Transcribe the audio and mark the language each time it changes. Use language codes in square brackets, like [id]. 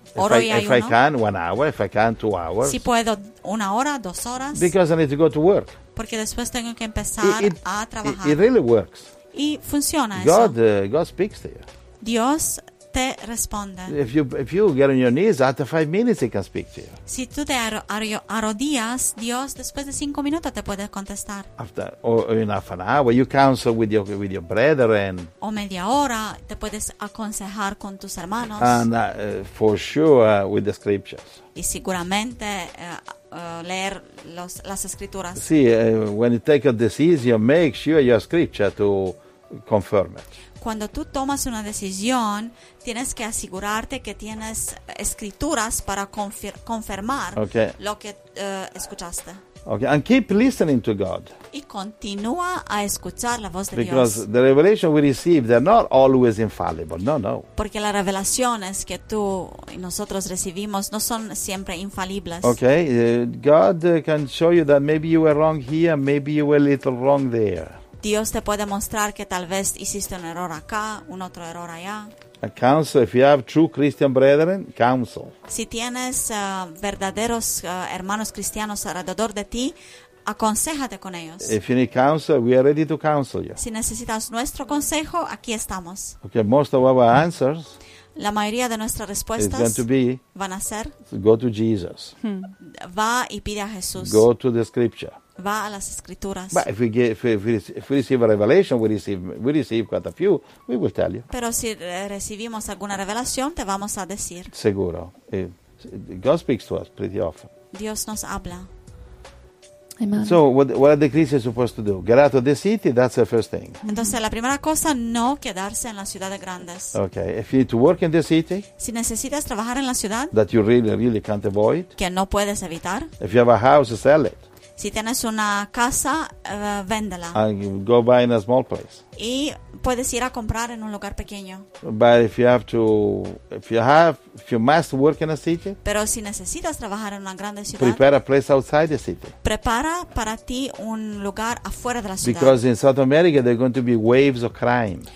[en] If I can, 1 hour. If I can, 2 hours. [es] Si puedo, 1 hora, 2 horas. [en] Because I need to go to work. [es] Porque después tengo que empezar a trabajar. [en] It really works. [es] Y funciona eso. [en] God speaks to you. [es] Dios te responde. [en] If you get on your knees, after 5 minutes, he can speak to you. [es] Si tú te arrodillas, Dios después de 5 minutos te puede contestar. [en] After or in half an hour, you counsel with your brethren. [es] O media hora, te puedes aconsejar con tus hermanos. [en] And for sure with the scriptures. [es] Y seguramente leer las escrituras. [en] Sí, when you take a decision, make sure your scripture to confirm it. [es] Cuando tú tomas una decisión, tienes que asegurarte que tienes escrituras para confirmar okay. Lo que escuchaste. [en] Okay, and keep listening to God. [es] Y continúa a escuchar la voz de [en] Because [es] Dios. [en] The revelation we receive, they're not always infallible. [es] No. Porque las revelaciones que tú y nosotros recibimos no son siempre infalibles. [en] Okay, God can show you that maybe you were wrong here, maybe you were a little wrong there. [es] Dios te puede mostrar que tal vez hiciste un error acá, un otro error allá. [en] A counsel, if you have true Christian brethren, counsel. [es] Si tienes verdaderos hermanos cristianos alrededor de ti, aconséjate con ellos. [en] If you need counsel, we are ready to counsel you. [es] Si necesitas nuestro consejo, aquí estamos. [en] Okay, most of our answers. [es] La mayoría de nuestras respuestas van a ser. [en] Go to Jesus. [es] Va y pide a Jesús. [en] Go to the scripture. [es] Va a las escrituras. [en] But if we receive a revelation, we receive quite a few, we will tell you. [es] Pero si recibimos alguna revelación, te vamos a decir. [en] Seguro. God speaks to us pretty often. [es] Dios nos habla. Amen. [en] So what are the Christians supposed to do? Get out of the city, that's the first thing. [es] Entonces la primera cosa, no quedarse en las ciudades grandes. [en] Okay, if you need to work in the city. [es] Si necesitas trabajar en la ciudad. [en] That you really, really can't avoid. [es] Que no puedes evitar. [en] If you have a house, sell it. [es] Si tienes una casa, véndela. [en] And go buy in a small place. [es] Y puedes ir a comprar en un lugar pequeño. [en] But if you must work in a city. [es] Pero si necesitas trabajar en una grande ciudad. [en] Prepare a place outside the city. [es] Prepara para ti un lugar afuera de la ciudad. [en] Because in South America there are going to be waves of crime.